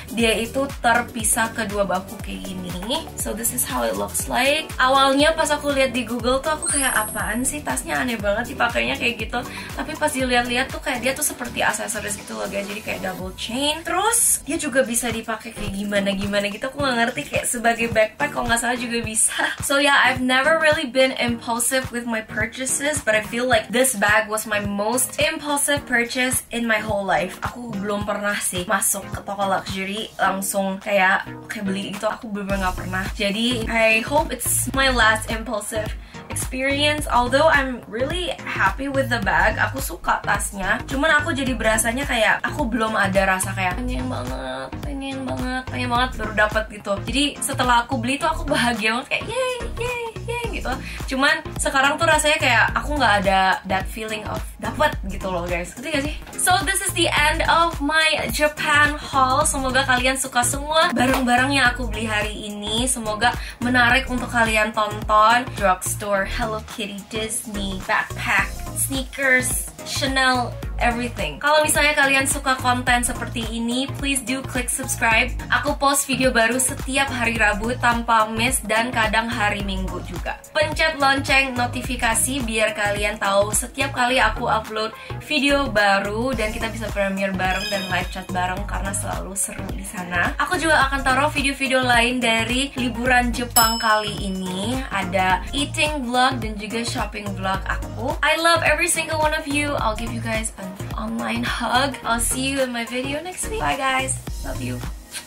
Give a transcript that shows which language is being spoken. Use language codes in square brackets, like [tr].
[id] Dia itu terpisah kedua bahu kayak gini. [en] So this is how it looks like. [id] Awalnya pas aku lihat di Google tuh aku kayak apaan sih, tasnya aneh banget dipakainya kayak gitu. Tapi pas dilihat-lihat tuh kayak dia tuh seperti aksesoris gitu loh guys. Jadi kayak double chain. Terus dia juga bisa dipakai kayak gimana-gimana gitu. Aku nggak ngerti, kayak sebagai backpack kalau nggak salah juga bisa. [en] So yeah, I've never really been impulsive with my purchases, but I feel like this bag was my most impulsive purchase in my whole life. [id] Aku belum pernah sih masuk ke toko luxury langsung kayak beli gitu. Aku belum nggak pernah. Jadi [en] I hope it's my last impulsive experience. Although I'm really happy with the bag, [id] aku suka tasnya. Cuman aku jadi berasanya kayak aku belum ada rasa kayak pengen banget baru dapat gitu. Jadi setelah aku beli tuh aku bahagia banget kayak yay gitu. Cuman sekarang tuh rasanya kayak aku nggak ada [en] that feeling of [id] dapat gitu loh guys. Ngerti gak sih? [en] So this is the end of my Japan haul. [id] Semoga kalian suka semua barang-barang yang aku beli hari ini. Semoga menarik untuk kalian tonton. [en] Drugstore, Hello Kitty, Disney, backpack, sneakers, Chanel, everything. [id] Kalau misalnya kalian suka konten seperti ini, [en] please do click subscribe. [id] Aku post video baru setiap hari Rabu tanpa miss, dan kadang hari Minggu juga. Pencet lonceng notifikasi biar kalian tahu setiap kali aku upload video baru, dan kita bisa premiere bareng dan live chat bareng karena selalu seru di sana. Aku juga akan taruh video-video lain dari liburan Jepang kali ini. Ada eating vlog dan juga shopping vlog aku. [en] I love every single one of you. I'll give you guys an online hug. I'll see you in my video next week. Bye guys. Love you.